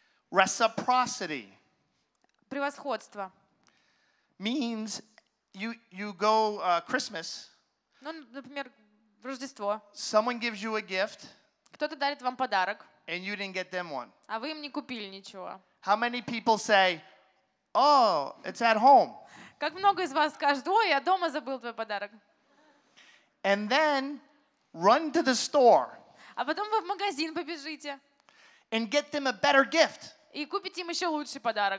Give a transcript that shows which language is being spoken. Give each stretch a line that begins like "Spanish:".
English: Reciprocity.
Russian: Превосходство.
English: Means you go Christmas.
Russian: Ну, например, в Рождество.
English: Someone gives you a gift.
Russian: Кто-то дарит вам подарок.
English: And you didn't get them one.
Russian: А вы им не купили ничего.
English: How many people say, oh, it's at home.
Russian: Как много из вас скажут, ой, я дома забыл твой подарок.
English: And then run to the store.
Russian: А потом вы в магазин побежите.
English: And get them a better gift.
Russian: И купите им еще лучший подарок.